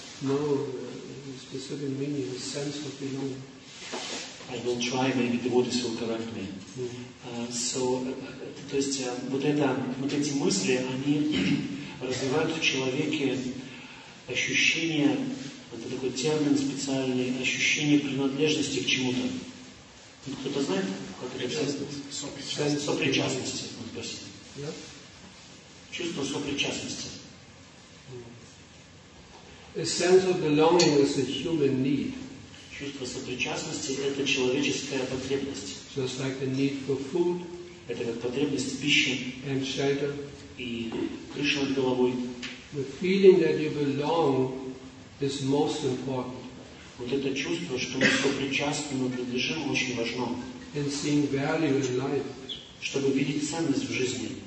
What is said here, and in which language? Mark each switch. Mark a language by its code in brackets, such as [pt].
[en] No, the specific meaning, a sense of belonging. I will try, maybe the word will correct me. Mm-hmm. [ru] То есть вот эти мысли, они развивают в человеке ощущение, это такой термин специальный, ощущение принадлежности к чему-то. Кто-то знает, как это сопричастность. Сопричастности. Вот, спасибо. [en] Yeah. [ru] Чувство сопричастности. [en] A sense of belonging is a human need. [ru] Чувство сопричастности – это человеческая потребность. [en] Just like the need for food. [ru] Это как потребность пищи. [en] And shelter. [ru] И крыша над головой. [en] The feeling that you belong is most important. [ru] Вот это чувство, что мы сопричастны, мы принадлежим, очень важно. [en] And seeing value in life. [ru] Чтобы видеть ценность в жизни.